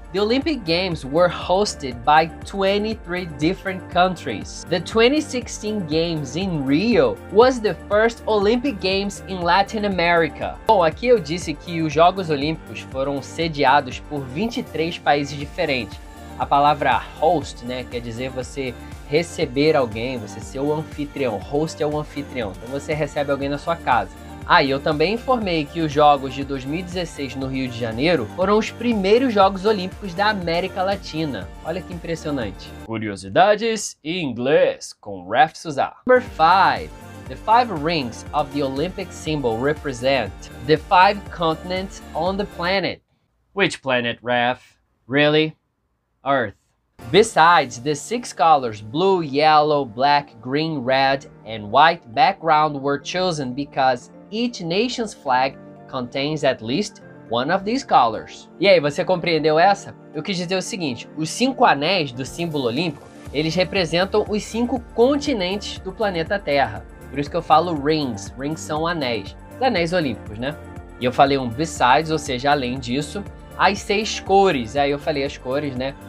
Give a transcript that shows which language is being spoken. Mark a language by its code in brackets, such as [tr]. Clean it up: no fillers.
[en] The Olympic Games were hosted by 23 different countries. The 2016 Games in Rio was the first Olympic Games in Latin America. [pt] Bom, aqui eu disse que os Jogos Olímpicos foram sediados por 23 países diferentes. A palavra host, né, quer dizer você receber alguém, você ser o anfitrião. Host é o anfitrião, então você recebe alguém na sua casa. Ah, e eu também informei que os Jogos de 2016 no Rio de Janeiro foram os primeiros Jogos Olímpicos da América Latina. Olha que impressionante. Curiosidades em inglês com Raf Suzá. [en] Number 5. The 5 rings of the Olympic symbol represent the 5 continents on the planet. Which planet, Raf? Really? Earth. Besides, the 6 colors, blue, yellow, black, green, red, and white background were chosen because each nation's flag contains at least one of these colors. [pt] E aí, você compreendeu essa? Eu quis dizer o seguinte, os 5 anéis do símbolo olímpico, eles representam os 5 continentes do planeta Terra. Por isso que eu falo rings, rings são anéis, os anéis olímpicos, né? E eu falei um besides, ou seja, além disso, as 6 cores, aí eu falei as cores, né?